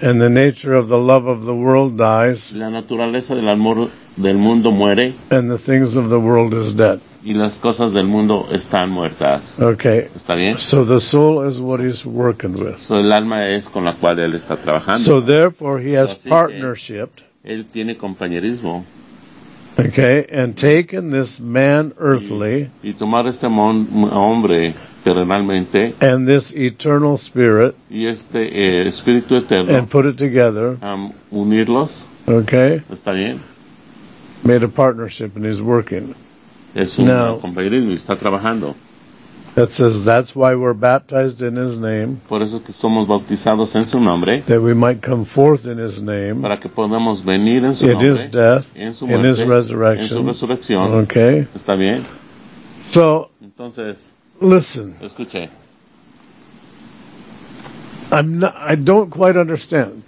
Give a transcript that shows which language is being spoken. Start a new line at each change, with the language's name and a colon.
English: and the nature of the love of the world dies.
Spanish: La naturaleza del amor del mundo muere,
English: and the things of the world is dead.
Spanish: Y las cosas del mundo están muertas.
English: Okay.
Spanish: ¿Está bien?
English: So the soul is what he's working with.
Spanish: So el alma es con la cual él está trabajando.
English: So therefore he has partnershiped.
Spanish: Él tiene compañerismo.
English: Okay. And taken this man earthly.
Spanish: Y tomar este hombre terrenalmente.
English: And this eternal spirit.
Spanish: Y este espíritu eterno.
English: And put it together.
Spanish: Unirlos.
English: Okay.
Spanish: ¿Está bien?
English: Made a partnership and he's working.
Spanish: Es un now, compañerismo y está trabajando.
English: That says that's why we're baptized in his name.
Spanish: Por eso es que somos bautizados en su nombre.
English: That we might come forth in his name.
Spanish: Para que podamos venir en su
English: it
Spanish: nombre.
English: In his death.
Spanish: En su muerte,
English: in his resurrection.
Spanish: En su resurrección.
English: Okay.
Spanish: Está bien.
English: So.
Spanish: Entonces.
English: Listen.
Spanish: Escuche.
English: I don't quite understand.